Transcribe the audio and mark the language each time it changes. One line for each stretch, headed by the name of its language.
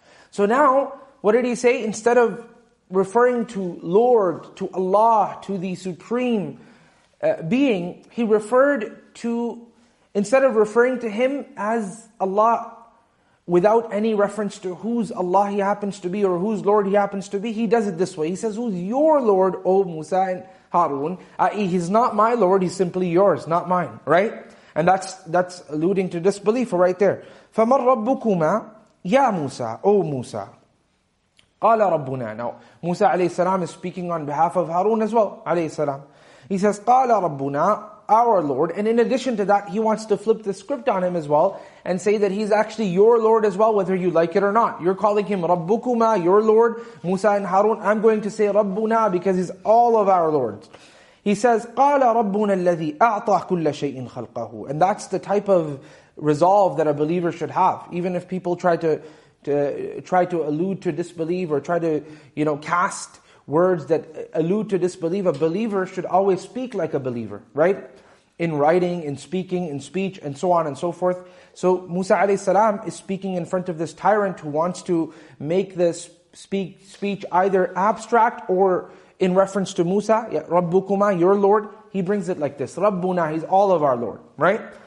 English: So now, what did he say? Instead of referring to Lord, to Allah, to the supreme being, he referred to, instead of referring to him as Allah, without any reference to whose Allah he happens to be or whose Lord he happens to be, he does it this way. He says, who's your Lord, O Musa and Harun? I.e., he's not my Lord, he's simply yours, not mine, right? And that's alluding to disbelief right there.
Arabic: فَمَنْ رَبُّكُمَا يَا مُوسَى,
English: O Musa.
Arabic: قَالَ رَبُّنَا.
English: Now, Musa alayhi salam is speaking on behalf of Harun as well, alayhi salam. He says,
Arabic: قَالَ رَبُّنَا,
English: our Lord. And in addition to that, he wants to flip the script on him as well and say that he's actually your Lord as well, whether you like it or not. You're calling him Rabbukuma, your Lord, Musa and Harun. I'm going to say Rabbuna because he's all of our Lords. He says,
Arabic: قَالَ رَبُّنَا الَّذِي أَعْطَى كُلَّ شَيْءٍ خَلْقَهُ.
English: And that's the type of resolve that a believer should have. Even if people try to allude to disbelief or try to, you know, cast words that allude to disbelief, a believer should always speak like a believer, right? In writing, in speaking, in speech, and so on and so forth. So Musa alayhi salam is speaking in front of this tyrant who wants to make this speech either abstract or in reference to Musa, رَبُّكُمَا, your Lord. He brings it like this, رَبُّنَا, he's all of our Lord, right?